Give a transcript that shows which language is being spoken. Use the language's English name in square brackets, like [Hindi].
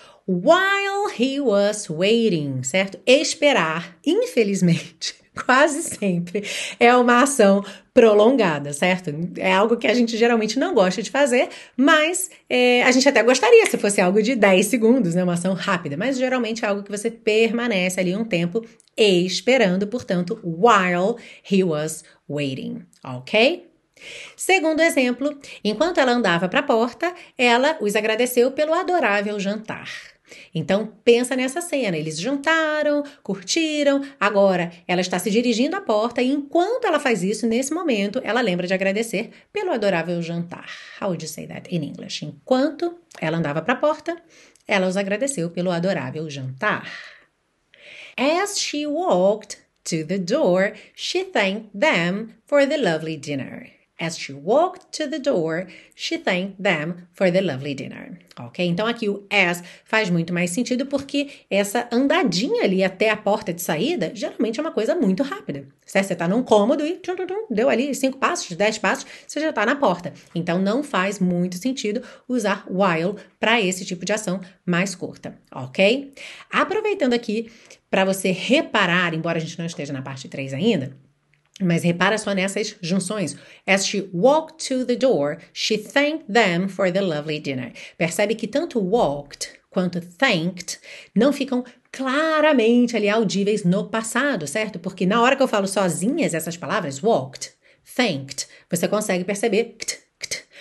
[English] While he was waiting, certo? [Portuguese] Esperar, infelizmente, quase sempre é uma ação prolongada, certo? É algo que a gente geralmente não gosta de fazer, mas a gente até gostaria se fosse algo de 10 segundos, né? Uma ação rápida, mas geralmente é algo que você permanece ali um tempo esperando, portanto, [English] while he was waiting, [Portuguese] ok? Segundo exemplo, enquanto ela andava para a porta, ela os agradeceu pelo adorável jantar. Então, pensa nessa cena. Eles jantaram, curtiram, agora ela está se dirigindo à porta e enquanto ela faz isso, nesse momento, ela lembra de agradecer pelo adorável jantar. [English] How would you say that in English? [Portuguese] Enquanto ela andava para a porta, ela os agradeceu pelo adorável jantar. [English] As she walked to the door, she thanked them for the lovely dinner. As she walked to the door, she thanked them for the lovely dinner. Ok? [Portuguese] Então aqui o as faz muito mais sentido porque essa andadinha ali até a porta de saída geralmente é uma coisa muito rápida. Certo? Você está num cômodo e tchum, tchum, tchum, deu ali 5 passos, 10 passos, você já está na porta. Então não faz muito sentido usar while para esse tipo de ação mais curta. Ok? Aproveitando aqui para você reparar, embora a gente não esteja na parte 3 ainda. Mas repara só nessas junções. [English] As she walked to the door, she thanked them for the lovely dinner. [Portuguese] Percebe que tanto walked quanto thanked não ficam claramente ali audíveis no passado, certo? Porque na hora que eu falo sozinhas essas palavras, walked, thanked, você consegue perceber t, t.